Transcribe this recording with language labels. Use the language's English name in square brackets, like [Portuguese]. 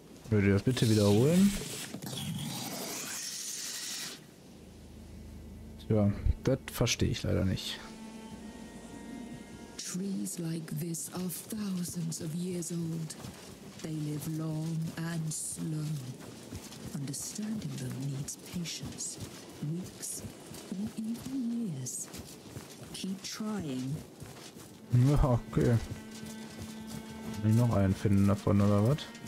[German] Würde das bitte wiederholen? Ja, das verstehe ich leider nicht. [English] Trees like this are thousands of years old. They live long and slow. Understanding them needs patience, weeks, or even years. Keep trying. [German] Ja, [English] okay. [German] Kann ich noch einen finden davon oder was?